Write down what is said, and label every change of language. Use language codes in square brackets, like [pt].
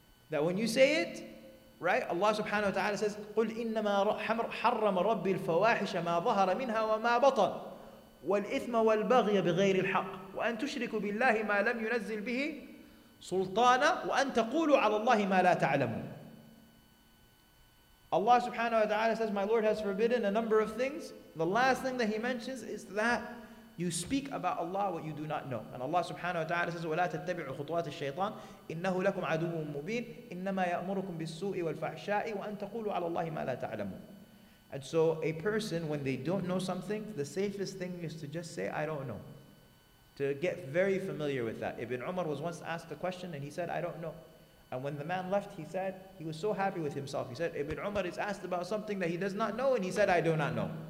[en] That when you say it, right? Allah subhanahu wa ta'ala says, [ar] قُلْ إِنَّمَا حَرَّمَ رَبِّي الْفَوَاحِشَ مَا ظَهَرَ مِنْهَا وَمَا بَطَنَ وَالْإِثْمَ وَالْبَغْيَ بِغَيْرِ الْحَقِّ وَأَنْ تُشْرِكُ بِاللَّهِ مَا لَمْ يُنَزِّلْ بِهِ سُلْطَانًا وَأَنْ تَقُولُ عَلَى اللَّهِ مَا لَا تَعْلَمُ. [en] Allah subhanahu wa ta'ala says, my Lord has forbidden a number of things. The last thing that he mentions is that you speak about Allah what you do not know. And Allah subhanahu wa ta'ala says, [ar] وَلَا تَتَّبِعُوا خُطْوَاتِ الشَّيْطَانِ إِنَّهُ لَكُمْ عَدُوٌّ مُبِينٌ إِنَّمَا يَأْمُرُكُمْ بِالسُّوءِ وَالْفَحْشَاءِ وَأَنْ تَقُولُوا عَلَى اللَّهِ مَا لَا تَعْلَمُونَ. [en] And so a person, when they don't know something, the safest thing is to just say, I don't know. To get very familiar with that. Ibn Umar was once asked a question and he said, I don't know. And when the man left, he said, he was so happy with himself. He said, Ibn Umar is asked about something that he does not know, and he said, I do not know.